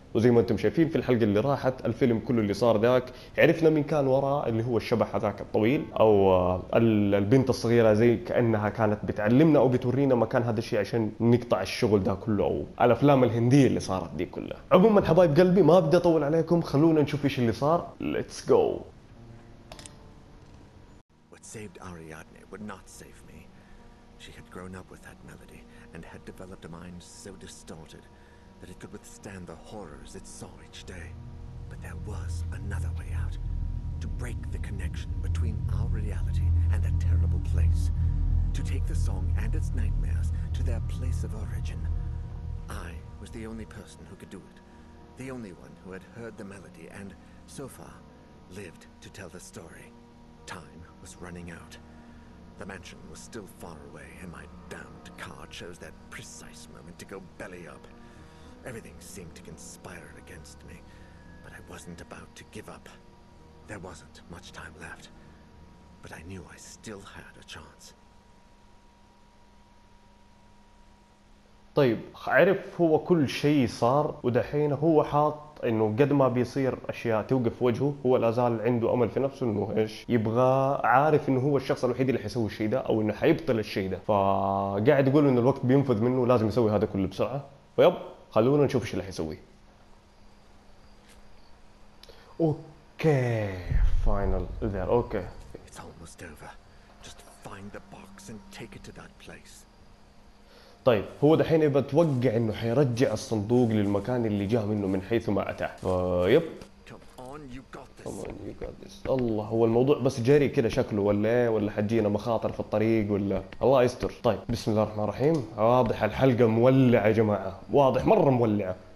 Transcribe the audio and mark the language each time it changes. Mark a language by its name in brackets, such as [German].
[Arabic] وزي ما أنتم شايفين في الحلقة اللي راحت، الفيلم كله اللي صار ذاك عرفنا من كان وراء اللي هو الشبح ذاك الطويل، أو البنت الصغيرة زي كأنها كانت بتعلمنا أو بتورينا مكان هذا الشيء عشان نقطع الشغل ده كله، أو الأفلام الهندية اللي صارت دي كلها. عموما حبايب قلبي ما بدي أطول عليكم، خلونا نشوف إيش اللي صار. [English] Let's go. What saved Ariadne would not save me. She had grown up with that melody and had developed a mind so distorted that it could withstand the horrors it saw each day. But there was another way out. To break the connection between our reality and that terrible place. To take the song and its nightmares to their place of origin. I was the only person who could do it. The only one who had heard the melody and, so far, lived to tell the story. Time was running out. The mansion was still far away, and my damned car chose that precise moment to go belly up. Everything seemed to conspire against me, but I wasn't about to give up. There wasn't much time left, but I knew I still had a chance. [Arabic] طيب عرف هو كل شيء صار، ودحين هو حاط انه قد ما بيصير اشياء توقف وجهه، هو لازال عنده امل في نفسه انه ايش يبغى، عارف انه هو الشخص الوحيد اللي حيسوي الشيء ده او انه حيبطل الشيء ده، فقاعد يقول انه الوقت بينفذ منه، لازم يسوي هذا كله بسرعة. ويب خلونا نشوف ايش اللي حيسويه. [English] Okay final there. Okay it's almost over, just find the box and take it to that place. [Arabic] طيب هو دحين يبغى يتوقع انه حيرجع الصندوق للمكان اللي جاء منه من حيث ما اتى. يب [English] Come on, you got this. [Arabic] الله، هو الموضوع بس جري كده شكله، ولا حجينا مخاطر في الطريق، ولا الله يستر. طيب بسم الله الرحمن الرحيم، واضح الحلقة مولعة يا جماعة، واضح مرة مولعة.